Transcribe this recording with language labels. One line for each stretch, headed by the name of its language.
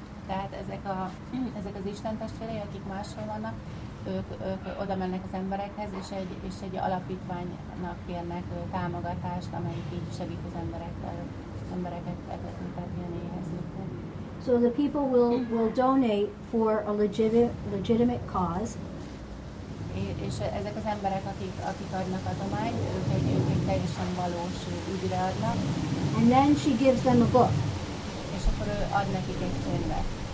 Hungarian: Tehát ezek az Isten testvére, akik máshol vannak, ők oda mennek az emberekhez, és egy alapítványnak kérnek támogatást, amelyik így segít az embereket tenni a néhez.
English: So the people will donate for a legitimate cause.
Hungarian: És ezek az emberek, akik adnak adományt, ők egy teljesen valós ügyre adnak.
English: And then she gives them a book.
Hungarian: És akkor ő ad nekik egy könyvet.